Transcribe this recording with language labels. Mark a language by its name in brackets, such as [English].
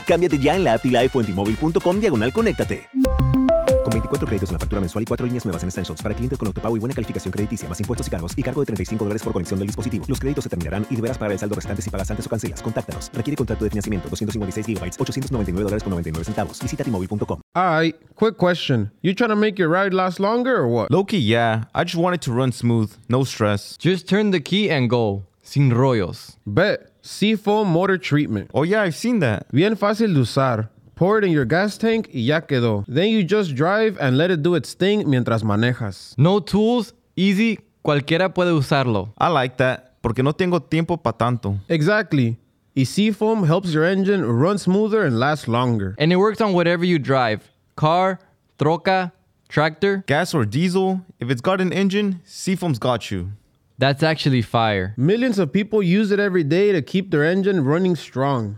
[Spanish] Cámbiate ya en la app y la iPhone en T-Mobile.com/conéctate. Con 24 créditos en la factura mensual y 4 líneas nuevas en Essentials para clientes con autopago y buena calificación crediticia, más impuestos y cargos y cargo de $35 por conexión del dispositivo. Los créditos se terminarán y deberás pagar el saldo restante si pagas antes o cancelas. Contáctanos. Requiere contrato de financiamiento. 256 GB. $899.99. Visita T-Mobile.com. [English] Alright, quick question. You trying to make your ride last longer or what? Low-key, yeah. I just want it to run smooth. No stress. Just turn the key and go. [Spanish] Sin rollos. [English] Bet. Seafoam Motor Treatment. Oh yeah, I've seen that. [Spanish] Bien fácil de usar. [English] Pour it in your gas tank [Spanish] y ya quedó. [English] Then you just drive and let it do its thing [Spanish] mientras manejas. [English] No tools, easy, [Spanish] cualquiera puede usarlo. [English] I like that, [Spanish] porque no tengo tiempo para tanto. [English] Exactly. Y Seafoam helps your engine run smoother and last longer. And it works on whatever you drive. Car, troca, tractor. Gas or diesel. If it's got an engine, Seafoam's got you. That's actually fire. Millions of people use it every day to keep their engine running strong.